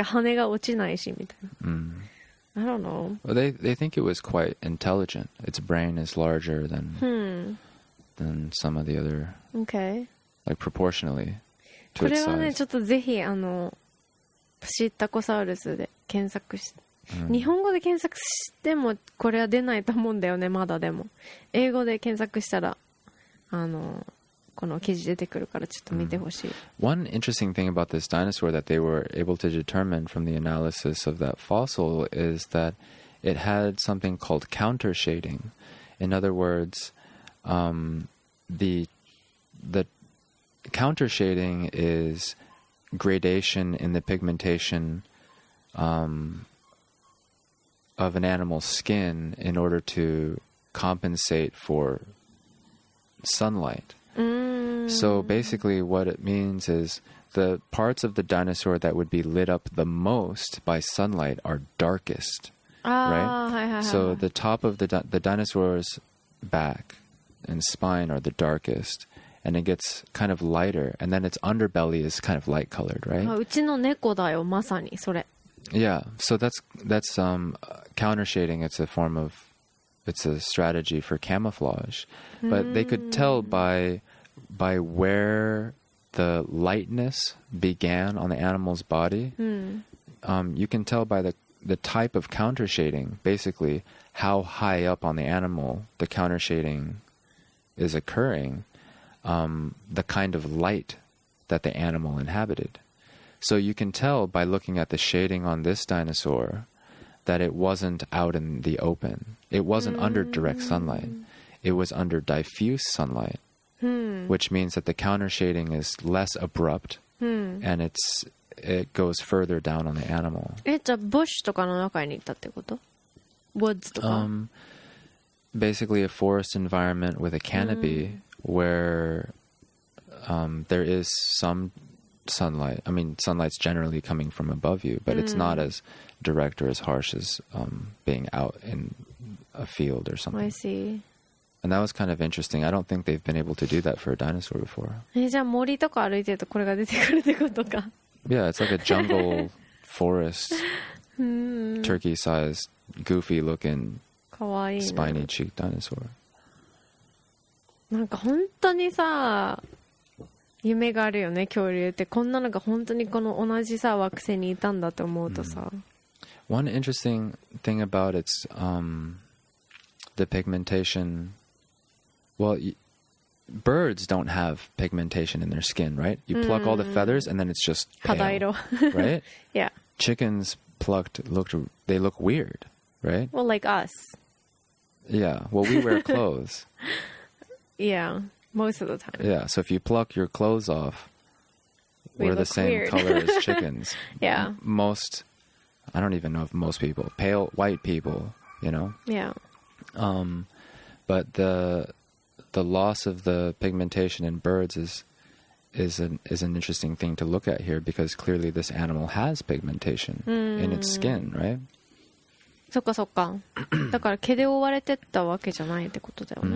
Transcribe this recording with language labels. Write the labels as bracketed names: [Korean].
[Japanese] いや。だからこう恐竜だけど、だから鳥みたいな感じだけど毛がふさふさ生えてないわけじゃん。つるっとしてるってことだよね。ちょっと清潔そうだから家の中でも飼えそうじゃない。いや。なんか羽が落ちないしみたいな。 [English] I don't know. Well, they think it was quite intelligent. Its brain is larger than than some of the other. Okay. Like proportionally. [Japanese] これはね、ちょっとぜひあのプシッタコサウルスで検索し、日本語で検索してもこれは出ないと思うんだよね、まだでも。英語で検索したら、あの、この記事出てくるからちょっと見てほしい。 [English] One interesting thing about this dinosaur that they were able to determine from the analysis of that fossil is that it had something called counter shading. In other words, the counter shading is gradation in the pigmentation of an animal's skin in order to compensate for sunlight. So basically what it means is the parts of the dinosaur that would be lit up the most by sunlight are darkest, right? So the top of the dinosaur's back and spine are the darkest, and it gets kind of lighter, and then its underbelly is kind of light colored, right? [Japanese] うちの猫だよ、まさにそれ。 [English] Yeah, so that's counter shading. It's a form of, it's a strategy for camouflage. But they could tell by where the lightness began on the animal's body. You can tell by the type of counter shading, basically how high up on the animal the counter shading is occurring, the kind of light that the animal inhabited. So you can tell by looking at the shading on this dinosaur that it wasn't out in the open. It wasn't under direct sunlight. It was under diffuse sunlight, which means that the counter shading is less abrupt and it goes further down on the animal. [Japanese] じゃあ、ブッシュとかの中に行ったってこと? Woods とか? [English] Basically a forest environment with a canopy where there is some sunlight. I mean, sunlight's generally coming from above you, but it's not as direct or as harsh as being out in a field or something. I see. And that was kind of interesting. I don't think they've been able to do that for a dinosaur before. [Japanese] じゃあ森とか歩いてるとこれが出てくるってことか? [English] Yeah, it's like a jungle forest, turkey-sized, goofy-looking, [Japanese] かわいい、ね、 [English] spiny cheek dinosaur. [Japanese] なんか本当にさ夢があるよね恐竜ってこんなのが本当にこの同じさ惑星にいたんだと思うとさ、 [English] One interesting thing about its the pigmentation, well, birds don't have pigmentation in their skin, right? You pluck all the feathers and then it's just pale, [Japanese] 肌色 [English] right? Yeah. Chickens plucked they look weird, right? Well, like us. Yeah, well, we wear clothes. Yeah. Most of the time. Yeah, so if you pluck your clothes off, we're the same color as chickens. Yeah. Most, I don't even know if most people, pale white people, you know? Yeah. But the loss of the pigmentation in birds is an interesting thing to look at here because clearly this animal has pigmentation in its skin, right? [Japanese] そっかそっか。だから毛で覆われてったわけじゃないってことだよね。